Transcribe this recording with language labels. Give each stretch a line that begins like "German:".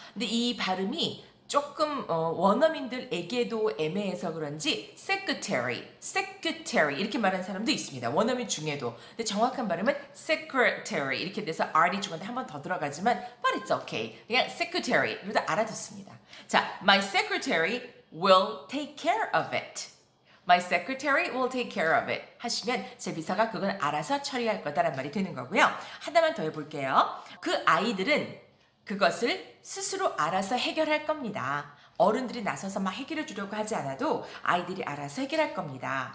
Korean: 근데 이 발음이 조금 원어민들에게도 애매해서 그런지 secretary 이렇게 말하는 사람도 있습니다. 원어민 중에도. 근데 정확한 발음은 secretary 이렇게 돼서 r이 중간에 한 번 더 들어가지만
English: but it's okay.
Korean: 그냥 secretary 이렇게 알아듣습니다.
English: 자, my secretary will take care of it. My secretary will take care of it.
Korean: 하시면 제 비서가 그건 알아서 처리할 거다라는 말이 되는 거고요. 하나만 더 해볼게요. 그 아이들은 그것을 스스로 알아서 해결할 겁니다. 어른들이 나서서 막 해결해 주려고 하지 않아도 아이들이 알아서 해결할 겁니다.